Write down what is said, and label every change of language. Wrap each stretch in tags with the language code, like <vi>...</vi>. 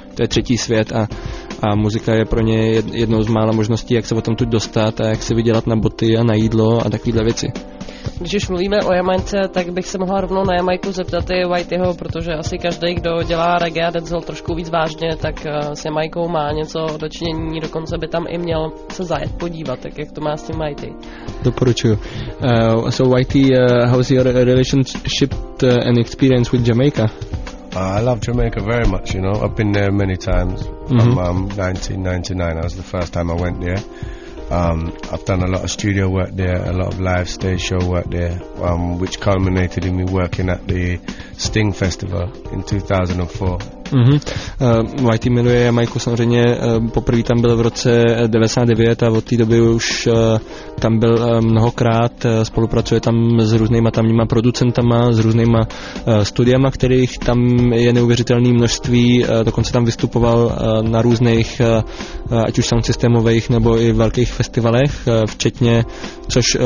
<cs>To je třetí svět a muzika je pro ně jednou z mála možností, jak se o tom tu dostat a jak si vydělat na boty a na jídlo a takovýhle věci. Když už mluvíme o Jamajce, tak bych se mohla rovnou na Jamajku zeptat i Whiteyho, protože asi každý, kdo dělá reggae a dancehall trošku víc vážně, tak s Jamajkou má něco dočinění, dokonce by tam i měl se zajet podívat, tak jak to má s tím Whitey. Doporučuju.</cs> <en>So Whitey, how's your relationship and experience with Jamaica? I love Jamaica very much, you know. I've been there many times. Mm-hmm. From 1999, that was the first time I went there. I've done a lot of studio work there, a lot of live stage show work there, which culminated in me working at the Sting Festival in 2004. Mm-hmm.</en> <cs>Whitey miluje Jamaiku samozřejmě, poprvé tam byl v roce 99 a od té doby už tam byl mnohokrát, spolupracuje tam s různýma tamníma producentama, s různýma studiama, kterých tam je neuvěřitelné množství, dokonce tam vystupoval na různých, ať už sound systémových nebo i velkých festivalech, včetně, což</cs>